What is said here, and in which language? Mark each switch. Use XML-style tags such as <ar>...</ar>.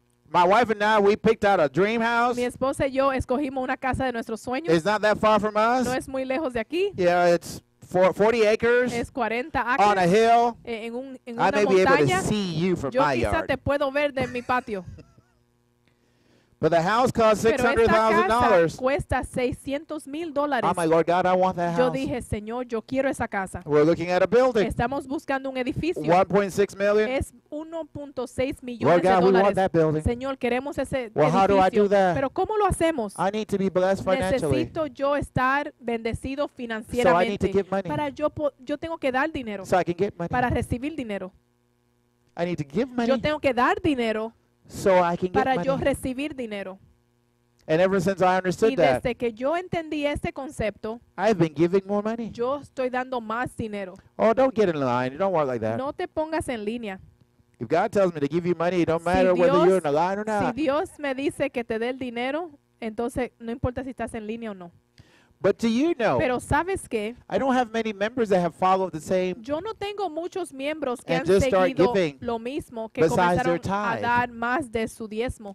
<en>My wife and I, we picked out a dream house.</en> <es>Mi esposa y yo escogimos una casa de nuestros sueños.</es> <en>It's not that far from us.</en> <es>No es muy lejos de aquí.</es> <en>Yeah, it's 40 acres.</en> <es>Es 40 acres.</es> <en>On a hill.</en> <es>En un, en</es> <en>I may</en> <es>montaña.</es> <en>Be able to see you from</en> <es>yo</es> <en>my yard.</en> <es>Yo quizá te puedo ver de mi patio.</es> <en>But the house cost $600,000.</en> <es>Pero esta casa cuesta $600,000.</es> <en>Oh, my Lord God, I want that house.</en> <es>Yo dije, Señor, yo quiero esa casa.</es> <en>We're looking at a building.</en> <es>Estamos buscando un edificio.</es> <en>$1.6</en> <es>million. Es 1.6 millones</es> <en>Lord God,</en> <es>de dólares.</es> <en>We want that building.</en> <es>Señor, queremos ese</es> <en>well,</en> <es>edificio.</es> <en>How do I do that?</en> <es>Pero ¿cómo lo hacemos?</es> <en>I need to be blessed financially.</en> <es>Necesito yo estar bendecido financieramente.</es> <en>So I need to give money.</en> <es>Para yo tengo que dar dinero.</es> <en>So I can get money.</en> <es>Para recibir dinero.</es> <en>I need to give money.</en> <es>Yo tengo que dar dinero.</es> <en>So I can get</en> <es>para</es> <en>money.</en> <es>Yo recibir dinero.</es> <en>And ever since I understood</en> <es>y desde</es> <en>that,</en> <es>que yo entendí este concepto,</es> <en>I've been giving more money.</en> <es>Yo estoy dando más dinero.</es> <en>Oh, don't get in line. It don't work like that.</en> <es>No te pongas en línea.</es> <en>If God tells me to give you money, it don't</en> <es>si</es> <en>matter</en> <es>Dios,</es> <en>whether you're in a line or not.</en> <es>Si Dios me dice que te dé el dinero, entonces no importa si estás en línea o no.</es> <en>But do you know?</en> <es>Pero ¿sabes qué?</es> <en>I don't have many members that have followed the same.</en> <es>Yo no tengo muchos miembros que han seguido lo mismo que comenzaron a dar más de su diezmo.</es>